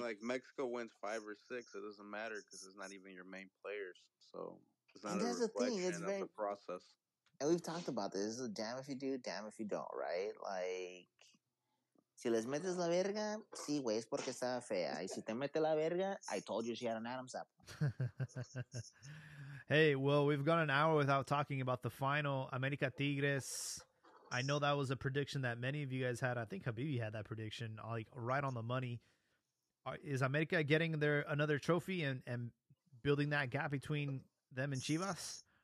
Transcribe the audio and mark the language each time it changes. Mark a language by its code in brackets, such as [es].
[en] Like Mexico wins 5 or 6, it doesn't matter because it's not even your main players. So it's not a reflection of the process. And we've talked about this. It's a damn if you do, damn if you don't, right? [es] Like, si les metes la verga, sí, güey, es porque estaba fea. [en] Y si te metes la verga, I told you she had an Adam's apple. Hey, well, we've gone an hour without talking about the final. America Tigres. I know that was a prediction that many of you guys had. I think Habibi had that prediction, like, right on the money. Is America getting another trophy and building that gap between them and Chivas?